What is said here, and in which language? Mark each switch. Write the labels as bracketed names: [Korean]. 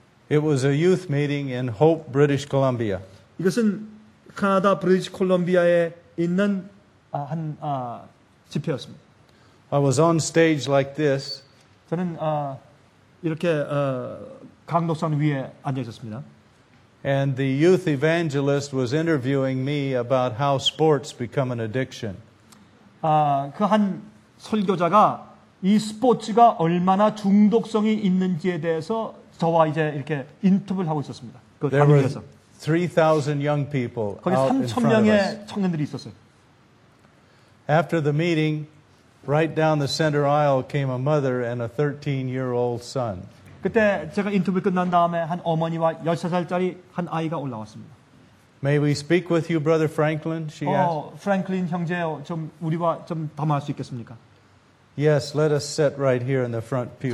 [English] It was a youth meeting in Hope, British Columbia. [Korean] 이것은 캐나다 브리티시 콜롬비아에 있는 한 집회였습니다. [English] I was on stage like this. [Korean] 저는 이렇게 강독선 위에 앉아 있었습니다. [English] And the youth evangelist was interviewing me about how sports become an addiction. [Korean] 그 한 설교자가 이 스포츠가 얼마나 중독성이 있는지에 대해서 저와 이제 이렇게 인터뷰를 하고 있었습니다. 그 강의에서. [English] 3,000 young people. [Korean] 거기 3,000명의 청년들이 있었어요. [English] After the meeting, right down the center aisle came a mother and a 13-year-old son. [Korean] 그때 제가 인터뷰 끝난 다음에 한 어머니와 13살짜리 한 아이가 올라왔습니다. [English] May we speak with you, Brother Franklin? She asked. [Korean] 프랭클린 형제요, 좀 우리와 좀 담아할 수 있겠습니까? [English] Yes, let us sit right here in the front pew.